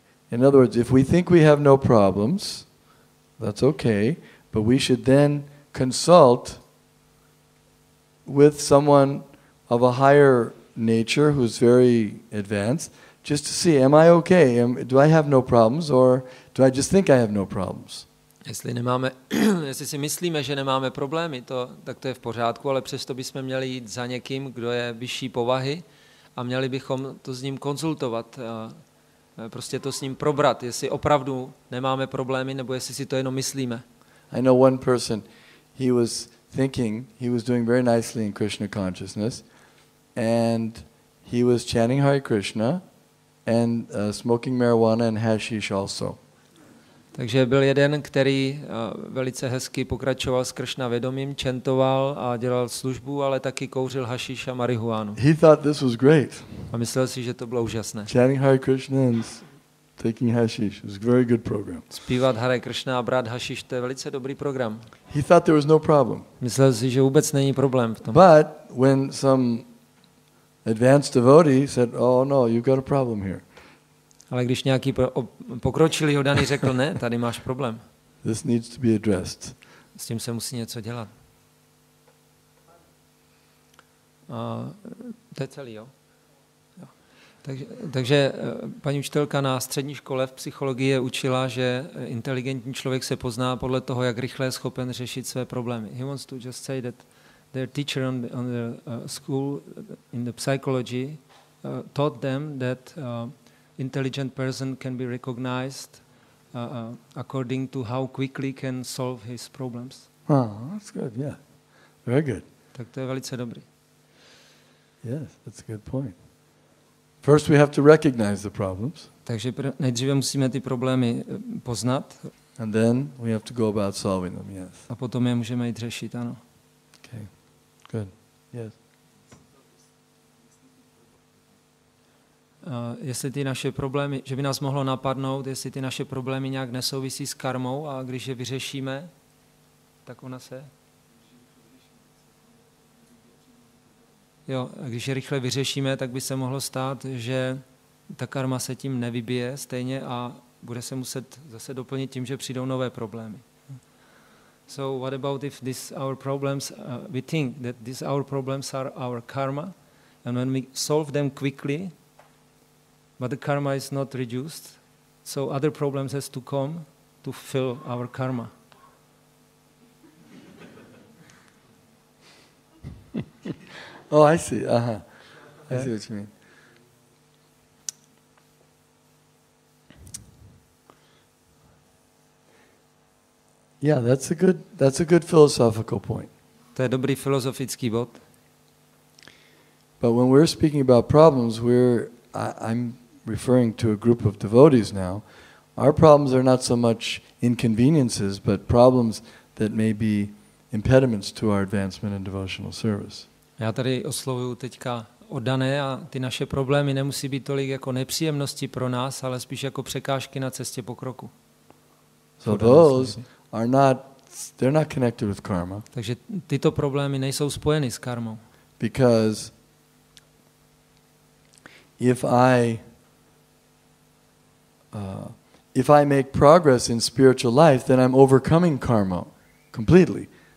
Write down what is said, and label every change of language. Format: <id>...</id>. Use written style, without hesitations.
<en>In other words, if we think we have no problems, that's okay, but we should then consult with someone of a higher nature who's very advanced, just to see, am I okay? Do I have no problems, or do I just think I have no problems?</en> <cs>Jestli si myslíme, že nemáme problémy, tak to je v pořádku, ale přesto bychom měli jít za někým, kdo je vyšší povahy, a měli bychom to s ním konzultovat. Prostě to s ním probrat, jestli opravdu nemáme problémy, nebo jestli si to jenom myslíme.</cs> <en>I know one person, he was thinking, he was doing very nicely in Krishna consciousness, and he was chanting Hare Krishna, and smoking marijuana and hashish also.</en> <cs>Takže byl jeden, který velice hezky pokračoval s Krishna vědomím, čentoval a dělal službu, ale taky kouřil hašiš a marihuánu.</cs> <en>He thought this was great.</en> <cs>A myslel si, že to bylo úžasné.</cs> <en>Chanting Hare Krishna and taking hashish was a very good program.</en> <cs>Zpívat Hare Krishna a brát hašiš, to je velice dobrý program.</cs> <en>He thought there was no problem.</en> <cs>Myslel si, že vůbec není problém v tom.</cs> <en>But when some advanced devotee said, oh no, you've got a problem here.</en> <cs>Ale když nějaký pokročilý hodaný řekl, ne, tady máš problém.</cs> <en>This needs to be addressed.</en> <cs>S tím se musí něco dělat. To je celý, jo? Takže paní učitelka na střední škole v psychologii učila, že inteligentní člověk se pozná podle toho, jak rychle je schopen řešit své problémy.</cs> <en>He wants to just say that their teacher on the school in the psychology taught them that intelligent person can be recognized according to how quickly can solve his problems. Oh, that's good, yeah. Very good.</en> <cs>Tak to je velice dobrý.</cs> <en>Yes, that's a good point. First we have to recognize the problems.</en> <cs>Takže nejdříve musíme ty problémy poznat.</cs> <en>And then we have to go about solving them, yes.</en> <cs>A potom je můžeme jít řešit, ano.</cs> <en>Okay, good, yes.</en> <cs>Jestli ty naše problémy, že by nás mohlo napadnout, jestli ty naše problémy nějak nesouvisí s karmou a když je vyřešíme, tak ona se... Jo, a když je rychle vyřešíme, tak by se mohlo stát, že ta karma se tím nevybije stejně a bude se muset zase doplnit tím, že přijdou nové problémy.</cs> <en>So what about if this our problems we think that these our problems are our karma and when we solve them quickly but the karma is not reduced so other problems has to come to fill our karma. Oh, I see. Uh-huh. I see what you mean. Yeah, that's a good philosophical point.</en> <cs>To je dobrý filozofický bod.</cs> <en>But when we're speaking about problems, I'm referring to a group of devotees now. Our problems are not so much inconveniences, but problems that may be impediments to our advancement in devotional service.</en> <cs>Já tady oslovuju teďka oddané a ty naše problémy nemusí být tolik jako nepříjemnosti pro nás, ale spíš jako překážky na cestě pokroku.</cs> <en>So those are not, they're not connected with karma.</en> <cs>Takže tyto problémy nejsou spojeny s karmou.</cs> <en>Because if I make progress in spiritual life, then I'm overcoming karma completely.</en>